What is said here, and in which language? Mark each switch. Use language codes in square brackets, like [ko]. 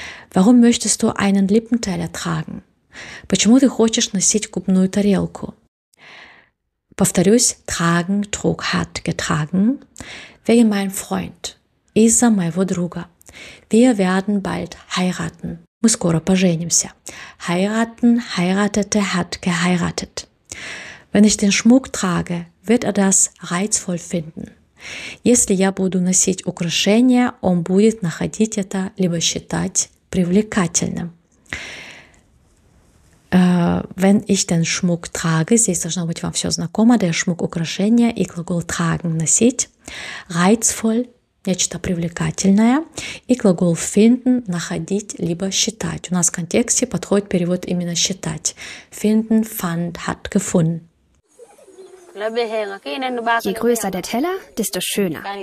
[de] Warum möchtest du einen Lippenteller tragen? [ru] Почему ты хочешь носить губную тарелку? Повторюсь, [de] tragen, trug, hat, getragen. Wegen meinem Freund. [ru] Из-за моего друга. [de] Wir werden bald heiraten. [ru] Мы скоро поженимся. [de] Heiraten, heiratete, hat geheiratet. Wenn ich den Schmuck trage, wird das reizvoll finden. [ru] Если я буду носить украшения, он будет находить это, либо считать привлекательным. [de] Wenn ich den Schmuck trage, [ru] здесь должно быть вам все знакомо, [de] der Schmuck, [ru] украшения и глагол [de] tragen, [ru] носить, [de] reizvoll, [ru] нечто привлекательное, и глагол [de] finden, [ru] находить, либо считать. У нас в контексте подходит перевод именно считать. [de] Finden, fand, hat, gefunden. Je größer der Teller, desto schöner.